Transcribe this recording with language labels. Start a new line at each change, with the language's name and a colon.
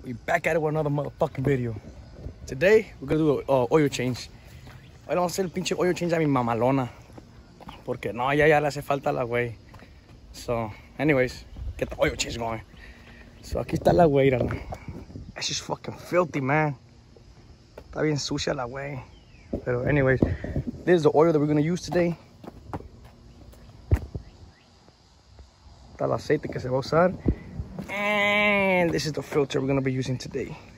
English: We back at it with another motherfucking video. Today, we're gonna do an oil change.
Spanish: Hoy vamos a hacer el pinche oil change a mi mamalona. Porque no, ya le hace falta la wey.
English: So, anyways, get the oil change going. So,
Spanish: aquí está la wey.
English: That's just fucking filthy, man.
Spanish: Está bien sucia la wey.
English: Pero, anyways, this is the oil that we're gonna use today.
Spanish: Está el aceite que se va a usar.
English: And this is the filter we're gonna be using today.